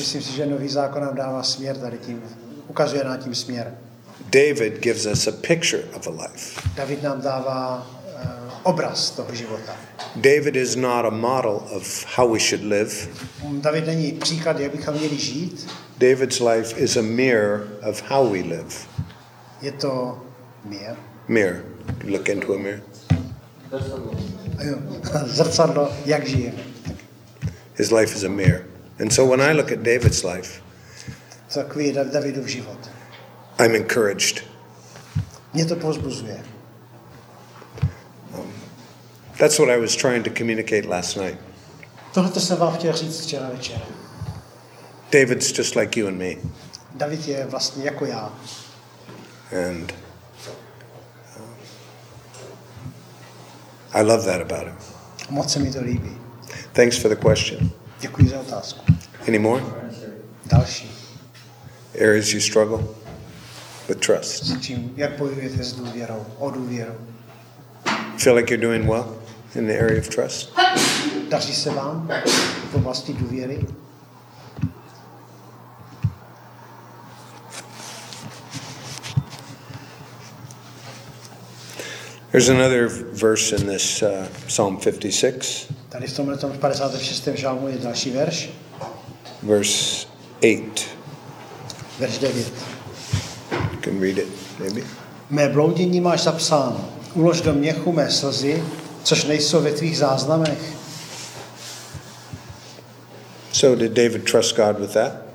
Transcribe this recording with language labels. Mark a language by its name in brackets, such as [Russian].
[Czech] Myslím si, že Nový zákon nám dává směr tady tím. Ukazuje nám tím směr. [English] David gives us a picture of a life. [Czech] David nám dává obraz toho života. [English] David is not a model of how we should live. [Czech] David není příklad, jak bychom měli žít. [English] David's life is a mirror of how we live. [Czech] Je to mirror. [English] Mirror. You look into a mirror. [Czech] Zrcadlo, jak žijeme. [English] His life is a mirror. And so when I look at David's life, [Czech] takový Davidův život. [English] I'm encouraged. [Czech] Mě to povzbuzuje. [English] That's what I was trying to communicate last night. [Czech] Tohle to jsem vám chtěl říct včera večer. [English] David's just like you and me. [Czech] David je vlastně jako já. [English] And I love that about him. [Czech] Moc se mi to líbí. [English] Thanks for the question. [Czech] Děkuji za otázku. [English] Any more? [Czech] Další. [English] Areas you struggle with trust. [Czech] S čím, jak bojujete s důvěrou, o důvěru. [English] Feel like you're doing well in the area of trust. [Czech] Daří se vám v oblasti důvěry. [English] There's another verse in this Psalm 56. [Czech] Tady v tomhle 56. žalmu je další verš. [English] Verse 8. [Czech] Verš 9. [English] You can read it, maybe. [Czech] Mé bloudění máš zapsáno. Ulož do měchu mé slzy, což nejsou ve tvých záznamech. [English] So did David trust God with that?